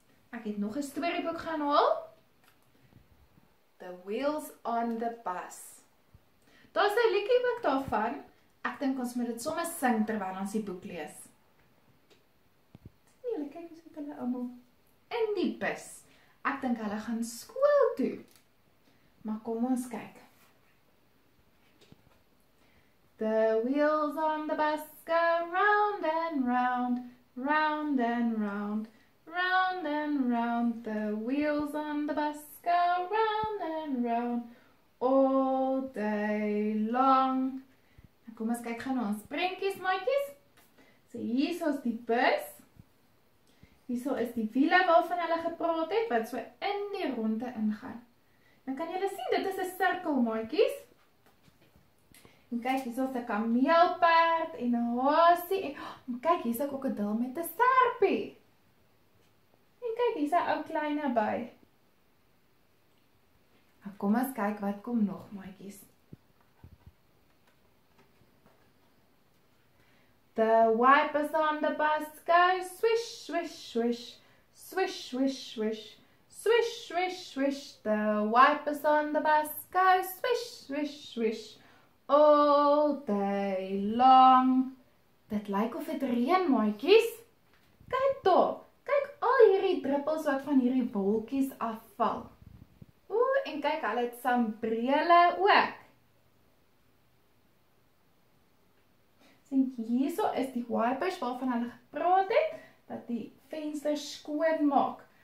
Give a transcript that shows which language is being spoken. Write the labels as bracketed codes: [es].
[af] Ek het nog 'n storieboek gaan haal. The Wheels on the Bus. Daar's 'n liedjie ook daarvan. Ek dink ons moet dit sommer sing terwyl ons die boek lees. Sien julle, kyk hoe sit hulle almal in die bus. Ek dink hulle gaan skool toe. Maar kom ons kyk. [en] The wheels on the bus go round and round, round and round, round and round. The wheels on the bus go round and round all day long. [af] Kom ons kyk gaan na ons prentjies, maatjies. So hier is ons die bus. Hier so is die wiele waarvan hulle gepraat het, wat so in die ronde ingaan. Dan kan julle sien, dit is 'n sirkel, maatjies. En kyk, hier is 'n kameelperd en 'n hasie. En kyk, hier is ook 'n dil met 'n serpie. En kyk, hier is 'n ou klein naby. Nou kom ons kyk, wat kom nog, maatjies? [en] The wipers on the bus go swish, swish, swish, swish, swish, swish, swish, swish, swish. The wipers on the bus go swish, swish, swish, all day long. [af] Dit lyk of dit reën, maatjies. Kyk toe, kyk al hierdie druppels wat van hierdie wolkies afval. Ooh, en kyk, hulle het sambrele ook. Sien, hierso is die wipers waarvan hulle gepraat het, dat die venster skoon maak.